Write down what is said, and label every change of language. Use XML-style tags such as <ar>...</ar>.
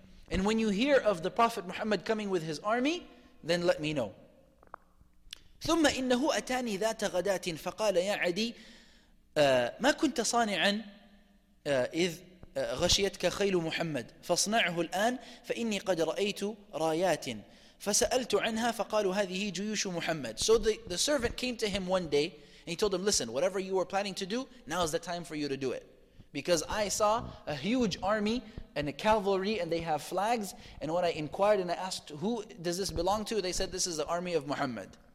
<en>And when you hear of the Prophet Muhammad coming with his army, then let me know.</en> <ar>ثم إنه أتاني ذات غداة فقال يا عدي ما كنت صانعا إذ غشيتك خيل محمد فاصنعه الآن فإني قد رأيت رايات فسألت عنها فقالوا هذه جيوش محمد.</ar> <en>So the servant came to him one day and he told him, listen, whatever you were planning to do, now is the time for you to do it. Because I saw a huge army and a cavalry and they have flags. And when I inquired and I asked, who does this belong to? They said, this is the army of Muhammad.</en>